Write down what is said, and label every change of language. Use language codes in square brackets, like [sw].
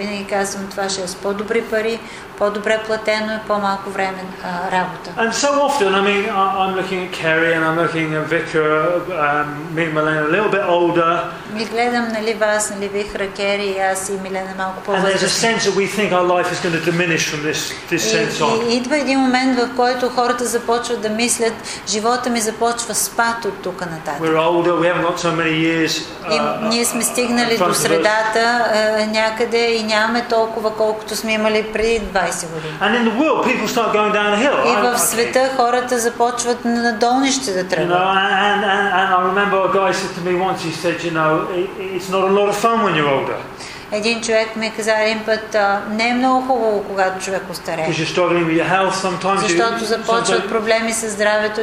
[bg] Винаги казвам, това ще е с по-добри пари, по-добре платено и по-малко време работа. [en] And so often, I mean, I'm looking at Kerry and I'm looking at Vicar, me and Milena, a little bit older. [bg] Ми гледам, нали, вас, нали, Вихра, Кери, аз и Милена малко по-възрастни. [en] And there's a sense that we think our life is going to diminish from this sense on. [bg] Идва един момент, в който хората започват да мислят, живота ми започва спад от тук нататък. [en] We're older, we haven't got so many years. [bg] Ние сме стигнали до средата някъде и нямаме толкова, колкото сме имали преди 20 години. [en] And in the world, people start going downhill. [bg] И в света хората започват на долнище да тръгват. [en] You know, and I remember a guy said to me once, he said, you know, it's not a lot of fun when you're older. [bg] Един човек ми каза един път, не е много хубаво, когато човек остарее. Защото започват проблеми със здравето